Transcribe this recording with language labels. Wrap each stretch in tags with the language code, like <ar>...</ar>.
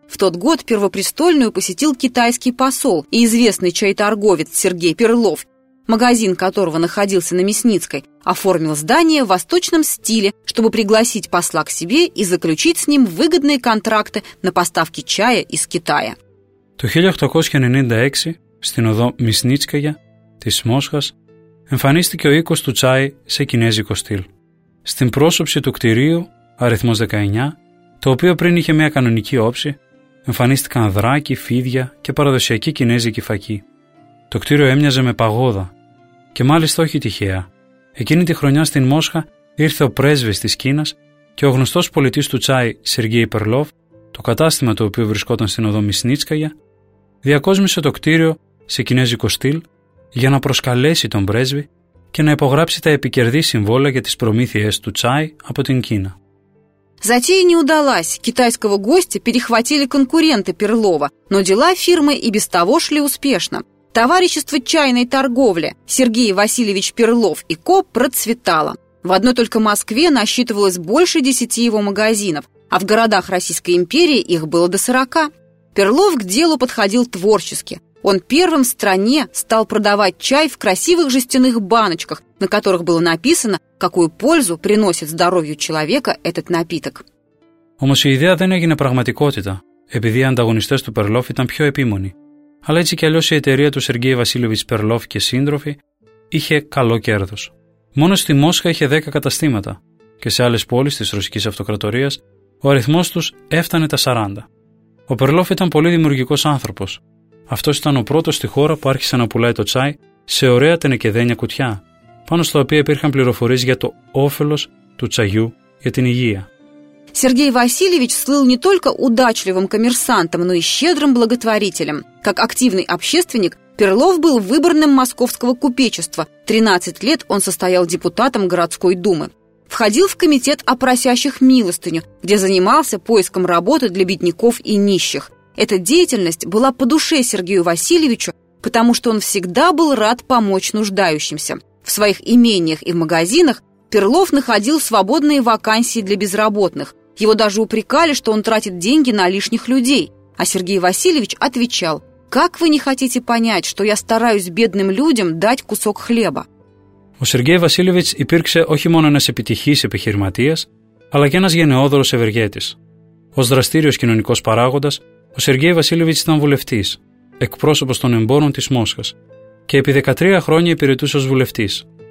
<ru>В тот год Первопрестольную посетил китайский посол и известный чайторговец Сергей Перлов, магазин которого находился на Мясницкой, оформил здание в восточном стиле, чтобы пригласить посла к себе и заключить с ним выгодные контракты на поставки чая из Китая.</ru> <el>Το 1896 στην οδό Μισνίτσκαγια της Μόσχας εμφανίστηκε ο οίκος του τσάι σε κινέζικο στυλ. Στην πρόσωψη του κτηρίου, αριθμός 19, το οποίο πριν είχε μια κανονική όψη, εμφανίστηκαν δράκοι, φίδια και παραδοσιακή κινέζικη φακή. Το κτίριο έμοιαζε με παγόδα και μάλιστα όχι τυχαία. Εκείνη τη χρονιά στην Μόσχα ήρθε ο πρέσβης της Κίνας και ο γνωστός πολιτής του τσάι Σεργέι Περλόφ. Το κατάστημα το οποίο βρισκόταν στην οδό Μισνίτσκαγια διακόσμησε το κτίριο σε κινέζικο στυλ για να προσκαλέσει τον πρέσβη και να υπογράψει τα επικερδή συμβόλαια για τις προμήθειές του τσάι από την Κίνα.</el> <ru>Затея не удалась, китайского гостя перехватили конкуренты Перлова, но дела фирмы и без того шли успешно. Товарищество чайной торговли Сергей Васильевич Перлов и Ко процветало. В одной только Москве насчитывалось больше 10 его магазинов, а в городах Российской империи их было до 40. Перлов к делу подходил творчески. Он первым в стране стал продавать чай в красивых жестяных баночках, на которых было написано, какую пользу приносит здоровью человека этот напиток.</ru> <el>Όμως η ιδέα δεν έγινε πραγματικότητα, επειδή οι ανταγωνιστές του Перлов ήταν πιο επίμονοι. Αλλά έτσι κι αλλιώς η εταιρεία του Σεργέη Βασίλειβιτς Перлов και σύντροφοι είχε καλό κέρδος. Μόνο στη Μόσχα είχε 10 καταστήματα και σε άλλες πόλεις της Ρωσικής Αυτοκρατορίας ο αριθμός τους έφτανε τα 40. Ο Περλόφ ήταν πολύ δημιουργικός άνθρωπος. Αυτός ήταν ο πρώτος στη χώρα που άρχισε να πουλάει το τσάι σε ωραία τενεκεδένια κουτιά, πάνω στα οποία υπήρχαν πληροφορίες για το όφελος του τσαγιού για την υγεία.</el> <ru>Сергей Васильевич слыл не только удачливым коммерсантом, но и щедрым благотворителем. Как активный общественник, Перлов был выборным московского купечества. 13 лет он состоял депутатом городской думы. Входил в комитет о просящих милостыню, где занимался поиском работы для бедняков и нищих. Эта деятельность была по душе Сергею Васильевичу, потому что он всегда был рад помочь нуждающимся. В своих имениях и в магазинах Перлов находил свободные вакансии для безработных. Его даже упрекали, что он тратит деньги на лишних людей. А Сергей Васильевич отвечал: «Как вы не хотите понять, что я стараюсь бедным людям дать кусок хлеба?»</ru> <el>Ο Σεργέη Βασίλειβιτς υπήρξε όχι μόνο ένας επιτυχής επιχειρηματίας, αλλά και ένας γενναιόδωρος ευεργέτης. Ως δραστήριος κοινωνικός παράγοντας, ο Σεργέη Βασίλειβιτς ήταν βουλευτής, εκπρόσωπος των εμπόρων της Μόσχας, και επί 13 χρόνια υπηρετούσε ως βουλευτής.</el>